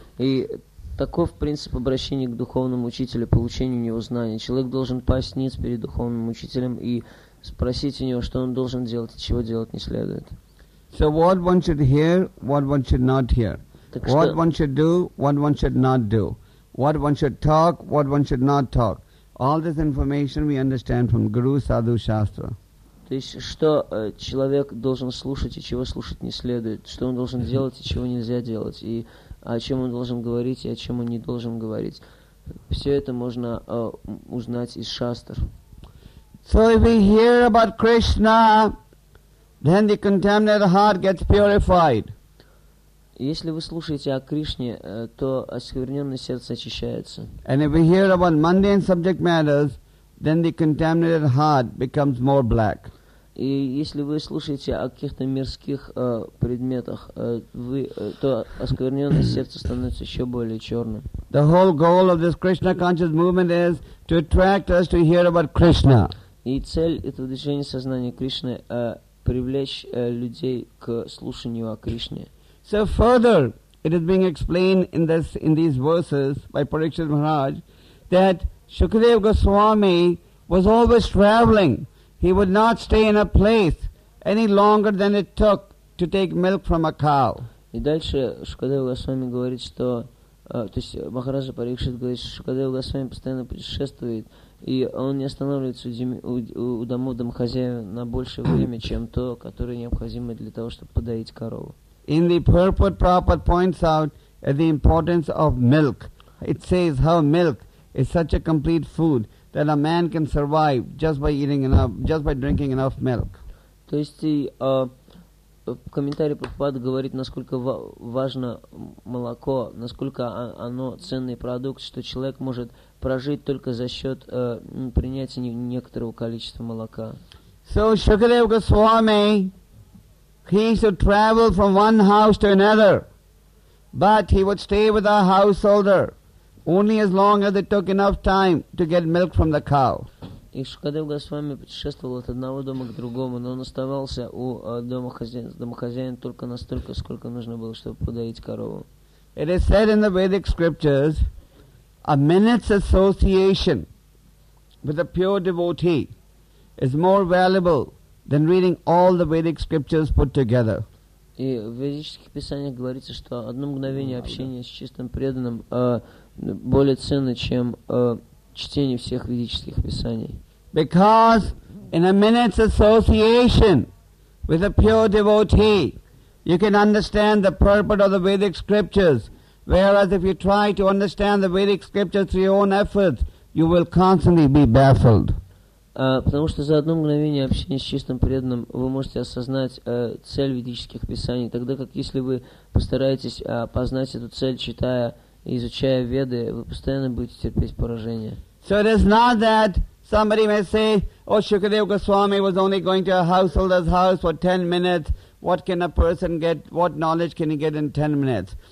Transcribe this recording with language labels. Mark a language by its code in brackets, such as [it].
[ru] И таков принцип обращения к духовному учителю, получения у него знания. Человек должен пасть ниц перед духовным учителем и спросить у него, что он должен делать, и чего делать не следует. [en] So what one should hear, what one should not hear. What one should do, what one should not do. What one should talk, what one should not talk. All this information we understand from Guru, Sadhu, Shastra. [ru] То есть, что человек должен слушать и чего слушать не следует, что он должен делать и чего нельзя делать, и о чем он должен говорить и о чем он не должен говорить. Все это можно узнать из шастр. [en] So if we hear about Krishna, then the contaminated heart gets purified. [ru] Если вы слушаете о Кришне, то оскверненное сердце очищается. [en] And if we hear about mundane subject matters, then the contaminated heart becomes more black. [ru] И если вы слушаете о каких-то мирских предметах, то оскверненное сердце становится еще более черным. [en] The whole goal of this Krishna conscious movement is to attract us to hear about Krishna. [ru] И цель этого движения сознания Кришны привлечь людей к слушанию о Кришне. [en] So further, it is being explained in these verses by Parikshit Maharaj that Shukadeva Goswami was always traveling. He would not stay in a place any longer than it took to take milk from a cow. [ru] И дальше Шукадева Госвами говорит, что, то есть Махараджа Парикшит говорит, что Шукадева Госвами постоянно путешествует, и он не останавливается у домохозяев на большее время, чем то, которое необходимо для того, чтобы подоить корову. [en] In the purport, Prabhupada points out the importance of milk. It says how milk is such a complete food that a man can survive just by drinking enough milk. [ru] То есть в комментарии Прабхупада говорит, насколько важно молоко, насколько оно ценный продукт, что человек может прожить только за счет принятия некоторого количества молока. [en] So Shukadeva Goswami, he should travel from one house to another, but he would stay with a householder only as long as it took enough time to get milk from the cow. [ru] И Шукадева Госвами путешествовал от одного дома к другому, но он оставался у домохозяина только настолько, сколько нужно было, чтобы подоить корову. [en] It is said in the Vedic scriptures, a minute's association with a pure devotee is more valuable than reading all the Vedic scriptures put together. [ru] И в ведических писаниях говорится, что одно мгновение общения с чистым преданным более ценно, чем чтение всех ведических писаний. [en] Because in a minute's association with a pure devotee, you can understand the purpose of the Vedic scriptures. Whereas if you try to understand the Vedic scriptures through your own efforts, you will constantly be baffled. [ru] Потому что за одно мгновение общения с чистым преданным вы можете осознать цель ведических писаний, тогда как если вы постараетесь познать эту цель, читая и изучая Веды, вы постоянно будете терпеть поражение. [en] So it is not that somebody may say, oh, Shukadeva Goswami was only going to a householder's house for 10 minutes. What can a person get, what knowledge can he get in 10 minutes?